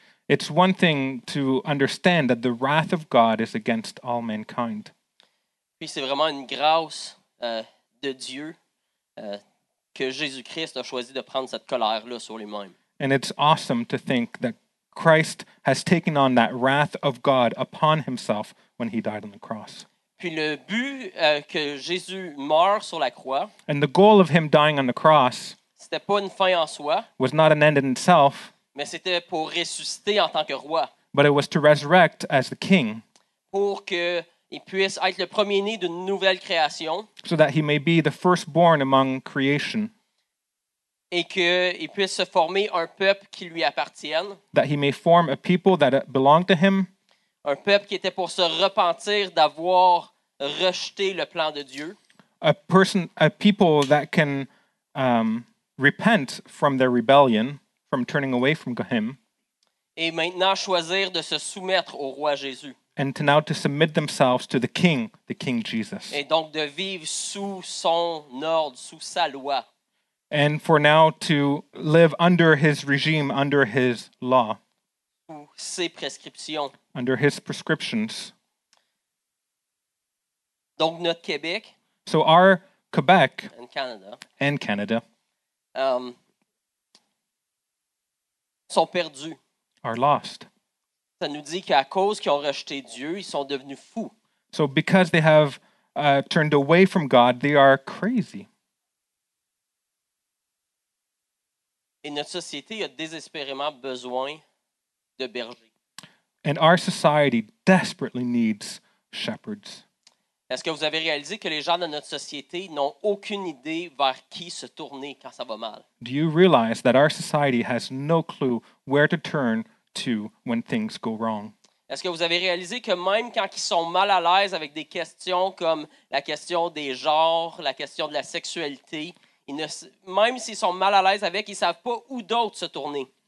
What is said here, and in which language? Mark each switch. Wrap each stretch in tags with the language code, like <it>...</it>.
<en>It's one thing to understand that the wrath of God is against all mankind.</en> <fr>Puis c'est vraiment une grâce de Dieu que Jésus-Christ a choisi de prendre cette colère-là sur lui-même.</fr> <en>And it's awesome to think that Christ has taken on that wrath of God upon himself when he died on the cross.</en> <fr>Puis le but que Jésus meurt sur la croix,</fr> <en>and the goal of him dying on the cross,</en> <fr>c'était pas une fin en soi,</fr> <en>was not an end in itself,</en> <fr>mais c'était pour ressusciter en tant que roi.</fr> <en>But it was to resurrect as the king.</en> <fr>Pour que il puisse être le premier-né d'une nouvelle création.</fr> <en>So that he may be the firstborn among creation.</en> <fr>Et qu'il puisse se former un peuple qui lui appartienne.</fr> <en>That he may form a people that belong to him.</en> <fr>Un peuple qui était pour se repentir d'avoir rejeté le plan de Dieu.</fr> <en>A people that can repent from their rebellion, from turning away from him.</en> <fr>Et maintenant choisir de se soumettre au roi Jésus.</fr> <en>And to now to submit themselves to the King Jesus.</en> <fr>Et donc de vivre sous son ordre, sous sa loi.</fr> <en>And for now to live under his regime, under his law.</en> <fr>Sous ses prescriptions.</fr> <en>Under his prescriptions.</en> <fr>Donc notre Québec.</fr> <en>So our Quebec. And Canada. And Canada.</en> <fr>Sont perdus.</fr> <en>Are lost.</en> <fr>Ça nous dit qu'à cause qu'ils ont rejeté Dieu, ils sont devenus fous.</fr> <en>So because they have turned away from God, they are crazy.</en> <fr>Et notre société a désespérément besoin de bergers.</fr> <en>And our society desperately needs shepherds.</en> <fr>Est-ce que vous avez réalisé que les gens de notre société n'ont aucune idée vers qui se tourner quand ça va mal?</fr> <en>Do you realize that our society has no clue where to turn to when things go wrong?</en> <fr>Est-ce que vous avez réalisé que même quand ils sont mal à l'aise avec des questions comme la question des genres, la question de la sexualité, même s'ils sont mal à l'aise avec, ils savent pas où d'autre se tourner?</fr>